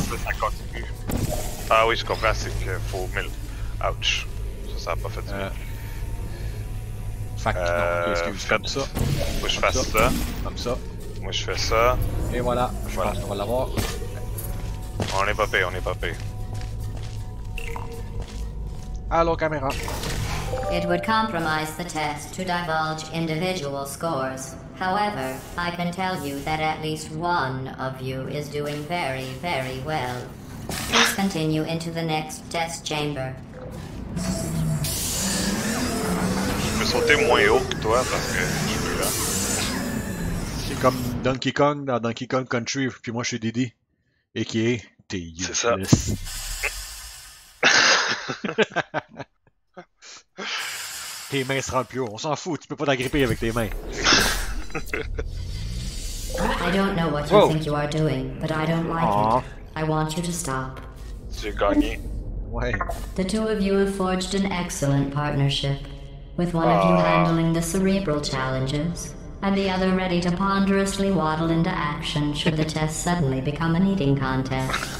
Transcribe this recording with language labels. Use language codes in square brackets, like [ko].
[fr] Ça continue. Ah oui, je comprends, c'est qu'il faut 1000. Ouch! Ça, ça a pas fait du bien. Fait que non, est-ce que vous faites comme ça? Moi je fais ça. Comme ça. Moi je fais ça. Et voilà, je voilà. Pense qu'on va l'avoir. On est pas payé, on est pas payé. Allô caméra. [en] It would compromise the test to divulge individual scores. However, I can tell you that at least one of you is doing very, very well. Please continue into the next test chamber. [fr] Sauter moins haut que toi parce que c'est comme Donkey Kong dans Donkey Kong Country puis moi je suis Diddy et qui est t'es useless. C'est ça. Tes mains se rendent plus haut, on s'en fout, tu peux pas t'agripper avec tes mains. [en] I don't know what you think you are doing but I don't like it. I want you to stop. [fr] Tu as gagné. Ouais. [en] The two of you have forged an excellent partnership. With one of you handling the cerebral challenges, and the other ready to ponderously waddle into action should the test suddenly become an eating contest.